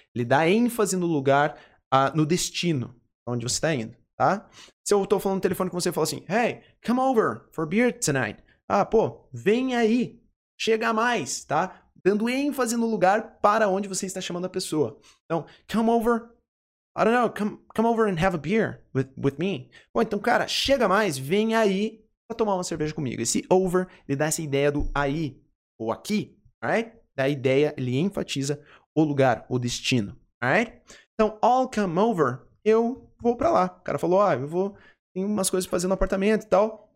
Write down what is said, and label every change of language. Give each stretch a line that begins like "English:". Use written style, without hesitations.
Portuguese: Ele dá ênfase no lugar, no destino, onde você está indo, tá? Se eu tô falando no telefone com você, eu falo assim,
English: hey, come over for beer tonight.
Portuguese: Ah, pô, vem aí. Chega mais, tá? Dando ênfase no lugar para onde você está chamando a pessoa. Então,
English: come over, I don't know, come over and have a beer with me.
Portuguese: Bom, então, cara, chega mais, vem aí para tomar uma cerveja comigo. Esse over, ele dá essa ideia do aí ou aqui,
English: right?
Portuguese: Da ideia, ele enfatiza o lugar, o destino,
English: right?
Portuguese: Então,
English: I'll come over,
Portuguese: eu vou para lá. O cara falou, ah, eu vou, tem umas coisas para fazer no apartamento e tal.